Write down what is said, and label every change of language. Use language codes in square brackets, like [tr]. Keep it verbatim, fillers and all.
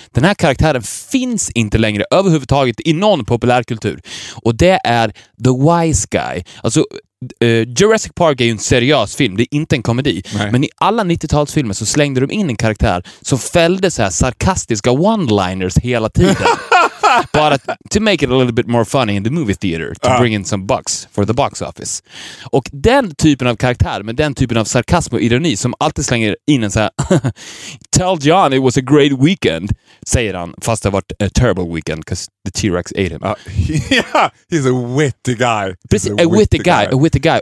[sv] Den här karaktären finns inte längre överhuvudtaget i någon populärkultur. Och det är The Wise Guy. Alltså, eh, Jurassic Park är ju en seriös film. Det är inte en komedi. Nej. Men i alla nittiotalsfilmer så slängde de in en karaktär som fällde så här sarkastiska one-liners hela tiden. [en] Bara to make it a little bit more funny in the movie theater. To uh. bring in some bucks for the box office. [sv] Och den typen av karaktär med den typen av sarkasm och ironi som alltid slänger in en så här [en] tell John it was a great weekend, [sv] säger han, fast det har varit [en] a terrible weekend because the T-Rex ate him. Uh, yeah, he's a witty guy. Precis, a, a witty guy, guy, a witty guy.